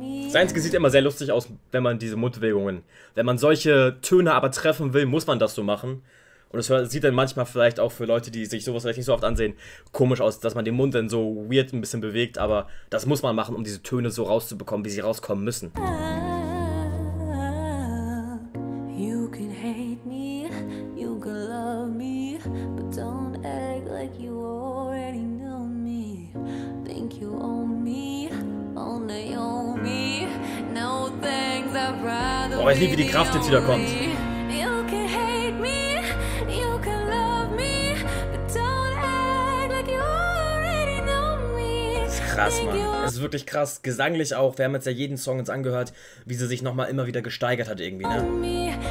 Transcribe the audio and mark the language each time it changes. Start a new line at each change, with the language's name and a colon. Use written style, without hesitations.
German: Seins Gesicht immer sehr lustig aus, wenn man diese Mundbewegungen, wenn man solche Töne aber treffen will, muss man das so machen. Und es sieht dann manchmal vielleicht auch für Leute, die sich sowas vielleicht nicht so oft ansehen, komisch aus, dass man den Mund dann so weird ein bisschen bewegt, aber das muss man machen, um diese Töne so rauszubekommen, wie sie rauskommen müssen.
English: You can hate me, you can love me, but don't act like you already know me. Think you own me, only own me. No thanks, I'd rather.
German: Oh, ich liebe, wie die Kraft jetzt wieder kommt. Krass, Mann. Es ist wirklich krass. Gesanglich auch. Wir haben jetzt ja jeden Song jetzt angehört, wie sie sich nochmal immer wieder gesteigert hat irgendwie, ne?